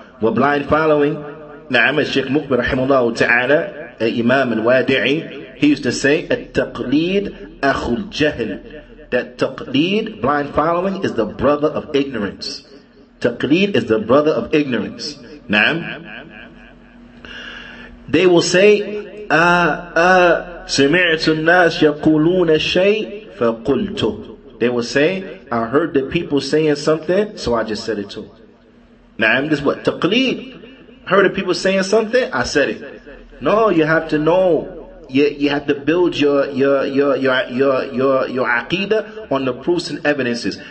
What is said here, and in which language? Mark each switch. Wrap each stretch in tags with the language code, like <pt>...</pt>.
<en>Well, blind following, na'am, as Sheikh Mukbir rahimahullah ta'ala, a imam al-wadi'i, he used to say,</en> <ar>التقليد أخو الجهل.</ar> <en>That taqleed, blind following, is the brother of ignorance. Taqleed is the brother of ignorance. Naam. They will say,</en> <ar>سمعت الناس يقولون شيء فقلته.</ar> <en>They will say, I heard the people saying something, so I just said it to them. Naam, this is what? Taqleed. Heard the people saying something, I said it. No, you have to know. You have to build your aqidah on the proofs and evidences.</en>